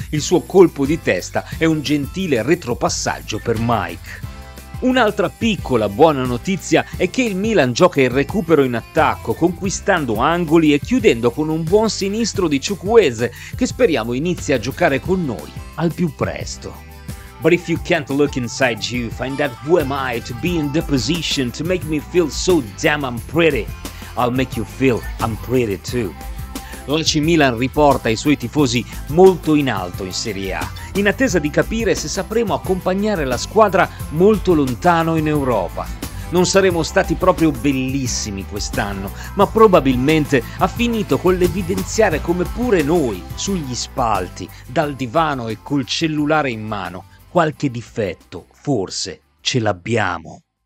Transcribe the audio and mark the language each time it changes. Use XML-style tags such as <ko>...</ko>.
<it>Il suo colpo di testa è un gentile retropassaggio per Mike. Un'altra piccola buona notizia è che il Milan gioca il recupero in attacco, conquistando angoli e chiudendo con un buon sinistro di Chukwueze, che speriamo inizi a giocare con noi al più presto.</it> <en>But if you can't look inside you, find out who am I to be in the position to make me feel so damn unpretty, I'll make you feel unpretty too.</en> <it>L'AC Milan riporta i suoi tifosi molto in alto in Serie A, in attesa di capire se sapremo accompagnare la squadra molto lontano in Europa. Non saremo stati proprio bellissimi quest'anno, ma probabilmente ha finito con l'evidenziare come pure noi, sugli spalti, dal divano e col cellulare in mano, qualche difetto, forse, ce l'abbiamo.</it>